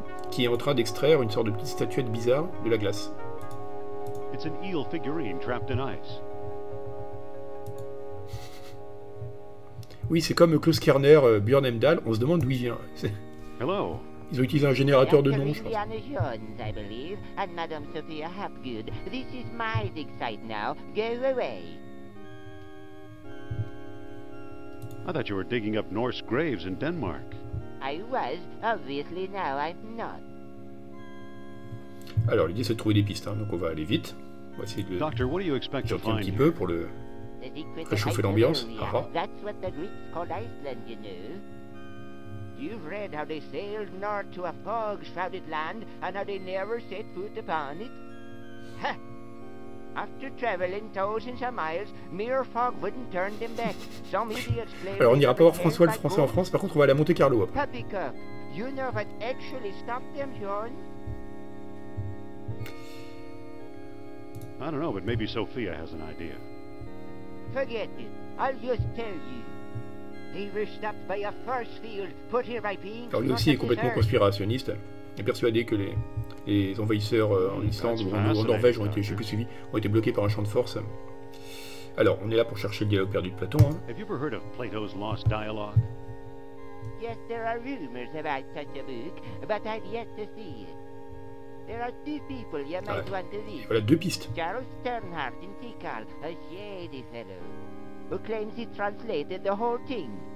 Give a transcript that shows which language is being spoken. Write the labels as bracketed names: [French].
[French] Qui est en train d'extraire une sorte de petite statuette bizarre de la glace. [English] It's an eel figurine trapped in ice. [French] Oui, c'est comme Klaus Kerner, Björn Heimdall, on se demande d'où il vient. [English] Hello. [French] Ils ont utilisé un générateur de noms, je pense. [English] Indiana Jones, I believe, and Madame Sophia Hapgood. This is my dig site now. Go away. I thought you were digging up Norse graves in Denmark. I was, obviously now I'm not. [French] Alors l'idée c'est de trouver des pistes, hein, donc on va aller vite. On va essayer de [English] Doctor, what do you expect to find [French] un petit peu pour le réchauffer l'ambiance. [English] That's what the Greeks called Iceland, you know. You've read how they sailed north to a fog-shrouded land and how they never set foot upon it? Ha! After traveling thousands of miles, mere fog wouldn't turn them back. Some idiots claim. [French] Alors on ira pas voir François le Français en France, par contre on va aller à Monte Carlo après. [English] Puppycock, you know what actually stopped them, John? I don't know, but maybe Sophia has an idea. Forget it. I'll just tell you. They were stopped by a force field put here by beings. [French] Alors lui aussi est complètement conspirationniste. Il est persuadé que les envahisseurs en Islande ou en Norvège ont été, je sais plus, suivis, ont été bloqués par un champ de force. Alors, on est là pour chercher le dialogue perdu de Platon. Hein. [English] Have you ever heard of Plato's lost dialogue? Yes, there are rumors about such a book, but I've yet to see it. There are two people you might want to visit. [French] Voilà deux pistes. [English] Charles Sternhardt in Tikal, a shady fellow, who claims he translated the whole thing.